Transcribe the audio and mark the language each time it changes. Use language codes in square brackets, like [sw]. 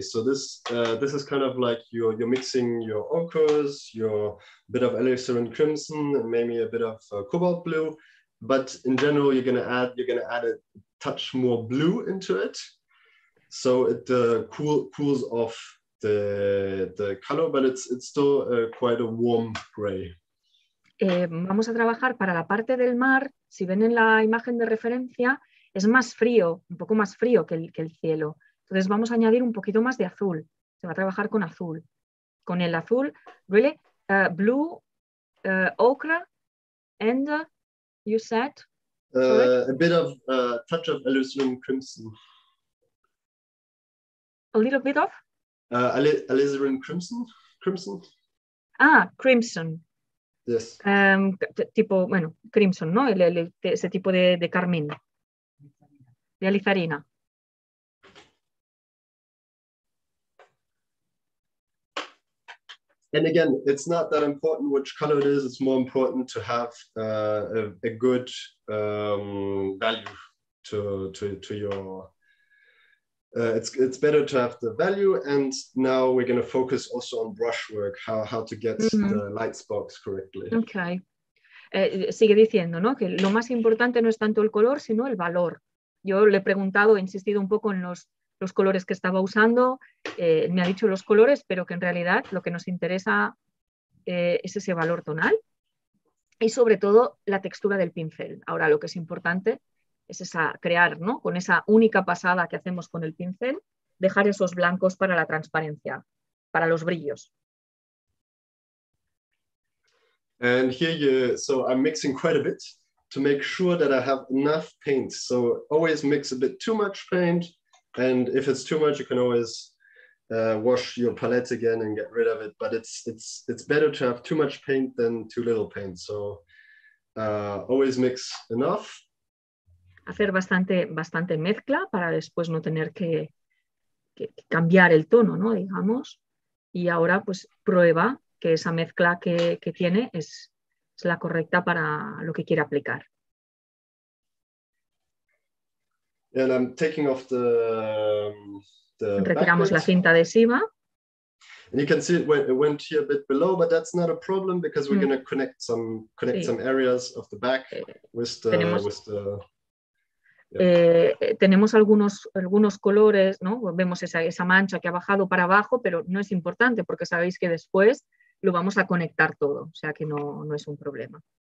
[en] So this is kind of like you're mixing your ochres, your bit of alizarin crimson, and maybe a bit of cobalt blue. But in general, you're gonna add a touch more blue into it, so it cools off the color, but it's still quite a warm gray. [es] Vamos a trabajar para la parte del mar. Si ven en la imagen de referencia, es más frío, un poco más frío que el cielo. Entonces vamos a añadir un poquito más de azul. Se va a trabajar con azul. Con el azul, [en] really, blue, ochre, and you said? A bit of touch of alizarin crimson. A little bit of? Alizarin crimson? Ah, crimson. Yes. [es] Tipo, bueno, crimson, ¿no? Ese tipo de carmín. De alizarina. [en] And again, it's not that important which color it is, it's more important to have a good value to your it's better to have the value. And now we're going to focus also on brushwork, how to get mm-hmm. the light sparks correctly. [es] Okay. Sigue diciendo, ¿no? Que lo más importante no es tanto el color, sino el valor. Yo le he preguntado, he insistido un poco en los colores que estaba usando, me ha dicho los colores, pero que en realidad lo que nos interesa es ese valor tonal y sobre todo la textura del pincel. Ahora lo que es importante es esa crear, ¿no? Con esa única pasada que hacemos con el pincel, dejar esos blancos para la transparencia, para los brillos. [en] And here so I'm mixing quite a bit to make sure that I have enough paint. So always mix a bit too much paint. And if it's too much, you can always wash your palette again and get rid of it. But it's better to have too much paint than too little paint. So always mix enough. [es] Hacer bastante, bastante mezcla para después no tener que cambiar el tono, ¿no? Digamos. Y ahora pues prueba que esa mezcla que tiene es la correcta para lo que quiera aplicar. [en] And I'm taking off the [es] retiramos la cinta adhesiva. [en] And you can see it went here a bit below, but that's not a problem because we're going to connect some areas of the back with the [es] yeah. Tenemos algunos colores, ¿no? Vemos esa mancha que ha bajado para abajo, pero no es importante porque sabéis que después lo vamos a conectar todo, o sea que no es un problema.